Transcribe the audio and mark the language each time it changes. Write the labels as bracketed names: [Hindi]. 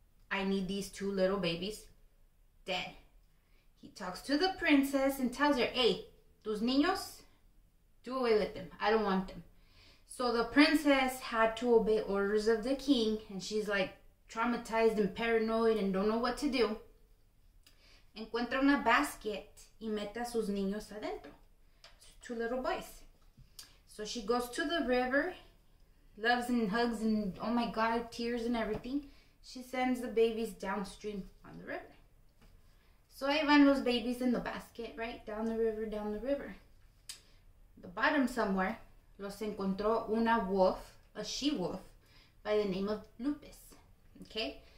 [English] I need these two little babies dead. He talks to the princess and tells her, hey, [Spanish] tus niños, [English] do away with them. I don't want them. So the princess had to obey orders of the king, and she's like traumatized and paranoid and don't know what to do. [Spanish] Encuentra una basket y mete a sus niños adentro. [English] Two little boys. So she goes to the river, loves and hugs and oh my God, tears and everything. She sends the babies downstream on the river. So I find those babies in the basket, right? Down the river. The bottom somewhere, [Spanish] los encontró una [English] wolf, a she-wolf, by the name of Lupus. Okay?